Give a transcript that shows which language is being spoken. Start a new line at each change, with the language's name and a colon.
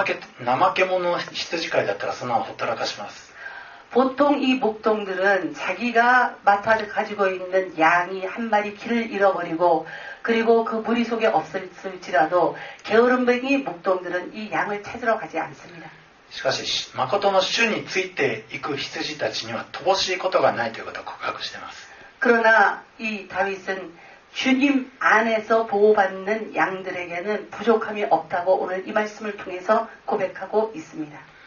Japanese: 普通の羊飼いは迷子になったり、あるいは羊がどっか行っちゃっても、怠け者羊飼いだったらそのままほったらかします。
Korean: 보통 이 목동들은 자기가 맡아가지고 있는 양이 한 마리 길을 잃어버리고 그리고 그 무리 속에 없을지라도 게으름뱅이 목동들은 이 양을 찾으러 가지 않습니다.
Japanese: しかし、誠の主について行く羊たちには乏しいことがないということを告白しています。
Korean: 그러나 이 다윗은 주님 안에서 보호받는 양들에게는 부족함이 없다고 오늘 이 말씀을 통해서 고백하고 있습니다.